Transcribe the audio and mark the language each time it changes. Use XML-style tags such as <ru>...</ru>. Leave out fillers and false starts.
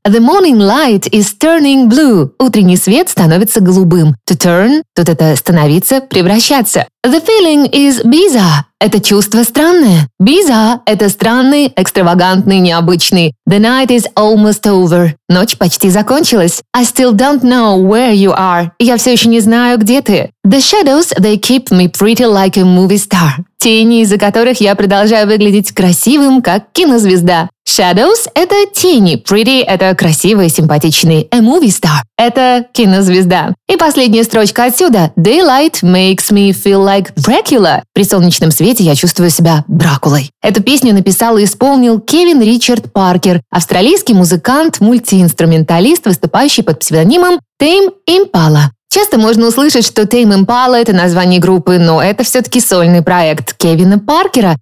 <en>The morning light is turning blue.</en> <ru>Утренний свет становится голубым.</ru> <en>To turn</en> <ru>– тут это становиться, превращаться.</ru> <en>The feeling is bizarre.</en> <ru>Это чувство странное. Bizarre – это странный, экстравагантный, необычный.</ru> <en>The night is almost over.</en> <ru>Ночь почти закончилась.</ru> <en>I still don't know where you are.</en> <ru>Я все еще не знаю, где ты.</ru> <en>The shadows, they keep me pretty like a movie star.</en> <ru>Тени, из-за которых я продолжаю выглядеть красивым, как кинозвезда. Shadows – это тени. Pretty – это красивый, симпатичный.</ru> <en>A movie star –</en> <ru>это кинозвезда. И последняя строчка отсюда.</ru> <en>Daylight makes me feel like Dracula.</en> <ru>При солнечном свете я чувствую себя Дракулой. Эту песню написал и исполнил Кевин Ричард Паркер, австралийский музыкант, мультиинструменталист, выступающий под псевдонимом Tame Impala. Часто можно услышать, что Tame Impala – это название группы, но это все-таки сольный проект Кевина Паркера.</ru>